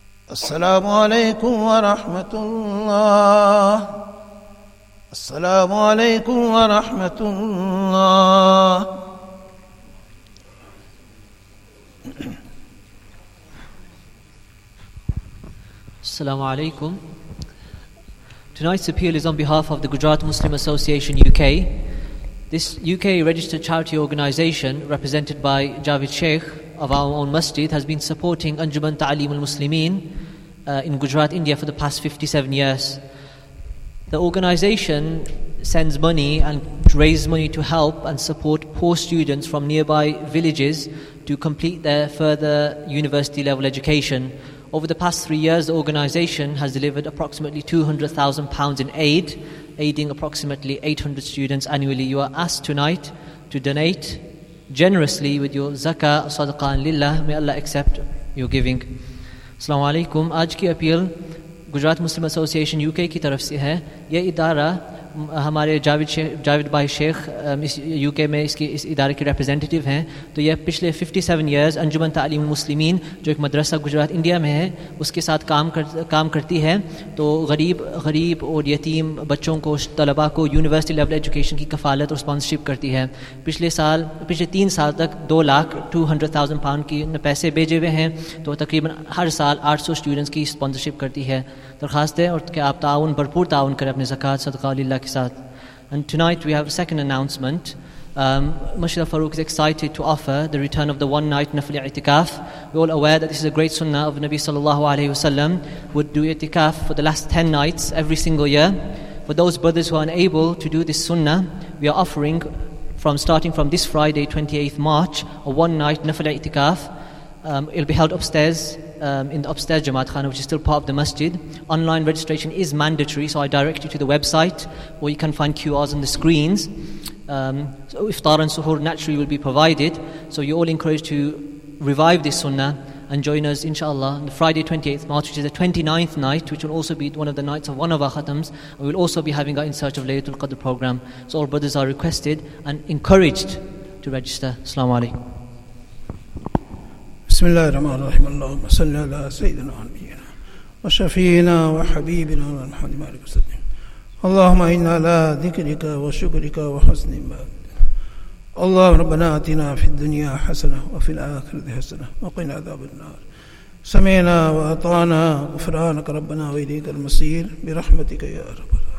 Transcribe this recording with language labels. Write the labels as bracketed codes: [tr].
[ar] السلام عليكم ورحمة الله. السلام عليكم ورحمة الله. السلام عليكم. [en] Tonight's appeal is on behalf of the Gujarat Muslim Association UK. This UK registered charity organization, represented by Javed Sheikh of our own masjid, has been supporting Anjuman Ta'aleem al-Muslimin in Gujarat, India, for the past 57 years. The organization sends money and raises money to help and support poor students from nearby villages to complete their further university level education. Over the past 3 years, the organization has delivered approximately £200,000 in aid, aiding approximately 800 students annually. You are asked tonight to donate generously with your zakah, sadaqah, and lillah. May Allah accept your giving. Assalamu alaikum. [ur] آج کی appeal Gujarat مسلم ایسوسی ایشن you کے کی طرف سے ہے۔ یہ ادارہ ہمارے جاوید بھائی شیخ اس یو کے میں اسکی اس ادارے کے ریپریزنٹیٹو ہیں۔ تو یہ پچھلے 57 years انجمن تعلیم مسلمین جو ایک مدرسہ گجرات انڈیا میں ہے اسکے ساتھ کام کرتی ہے تو غریب اور یتیم بچوں کو طلبہ کو [en] university level education [ur] کی کفالت اور sponsorship کرتی ہے۔ پچھلے 3 سال تک 2,200,000 pounds کی پیسے بھیجے ہوئے ہیں تو تقریباً ہر سال 800 students کی sponsorship کرتی ہے۔ درخواست ہے اور کہ آپ تاون بھرپور تاون کرے اپنے زکات صدقہ للہ۔ [en] And tonight we have a second announcement. Mashallah Farooq is excited to offer the return of the one night nafli itikaf. We're all aware that this is a great sunnah of Nabi sallallahu alayhi wa sallam, would do itikaf for the last 10 nights every single year. For those brothers who are unable to do this sunnah, we are offering, from starting from this Friday, 28th March, a one night nafli itikaf. It'll be held upstairs. In the upstairs Jamaat Khana, which is still part of the masjid. Online registration is mandatory, so I direct you to the website, where you can find QRs on the screens. iftar and suhoor naturally will be provided. So you're all encouraged to revive this sunnah and join us, inshallah, on Friday 28th March, which is the 29th night, which will also be one of the nights of one of our khatams. And we'll also be having our In Search of Laylatul Qadr program. So all brothers are requested and encouraged to register. As-salamu alaykum. [ar] بسم الله الرحمن الرحيم اللهم صل على سيدنا ونبينا وشفينا وحبيبنا محمد صلى الله عليه وسلم اللهم إنا على ذكرك وشكرك وحسن عبادتك اللهم ربنا آتنا في الدنيا حسنة وفي الآخرة حسنة وقنا عذاب النار سمعنا وأطعنا غفرانك ربنا وإليك المصير برحمتك يا رب.